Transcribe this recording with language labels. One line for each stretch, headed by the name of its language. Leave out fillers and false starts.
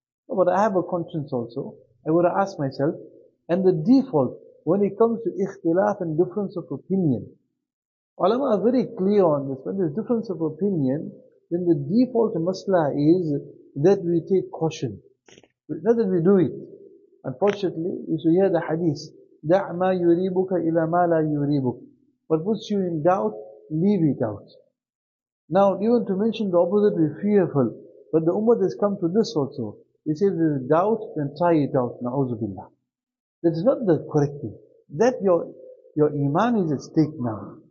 English: No, but I have a conscience also. I would ask myself. And the default, when it comes to ikhtilaf and difference of opinion, ulama are very clear on this. When there's difference of opinion, then the default masla is that we take caution. Not that we do it. Unfortunately, you should hear the hadith,
Arabic: دَعْ مَا يُرِيبُكَ إِلَى مَا لَا يُرِيبُكَ.
English: What puts you in doubt, leave it out. Now, even to mention the opposite, we're fearful. But the ummah has come to this also. He says, there's doubt, then try it out.
Arabic: نَعُوذُ بِاللَّهِ.
English: That is not the correct thing. That your iman is at stake now.